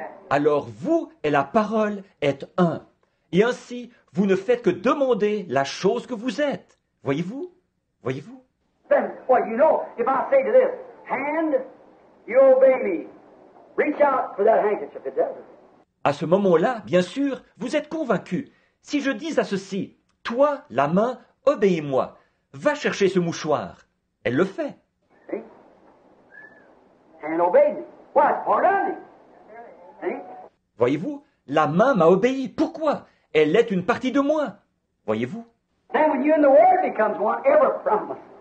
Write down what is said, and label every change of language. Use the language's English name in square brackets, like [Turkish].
[French] Alors vous et la parole êtes un. Et ainsi, vous ne faites que demander la chose que vous êtes. Voyez-vous? Voyez-vous? [English] Then, well, you know, if I say to this hand, you obey me. Reach out for that handkerchief, it doesn't. [French] À ce moment-là, bien sûr, vous êtes convaincu. Si je dis à ceci, toi, la main, obéis-moi. Va chercher ce mouchoir. Elle le fait. [English] See? Hand obeyed me. Why? Pardon me. [French] Voyez-vous? La main m'a obéi. Pourquoi? Elle est une partie de moi. Voyez-vous? [English] Then when you and the word becomes one, every promise.